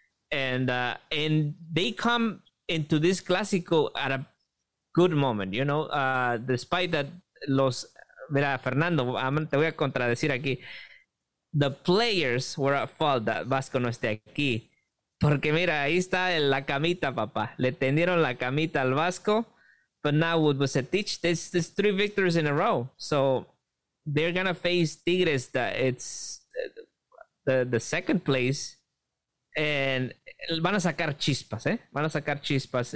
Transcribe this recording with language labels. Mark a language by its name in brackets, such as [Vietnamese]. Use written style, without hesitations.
[English] And they come into this Clásico at a good moment, you know, despite that [Spanish] los, mira, Fernando, te voy a contradecir aquí. [English] The players were at fault that [Spanish] Vasco no esté aquí. Porque mira, ahí está en la camita, papá. Le tendieron la camita al Vasco, [English] but now with Vucetich, there's three victories in a row. So they're going to face Tigres, that it's the second place. [Spanish] And van a sacar chispas, eh? Van a sacar chispas.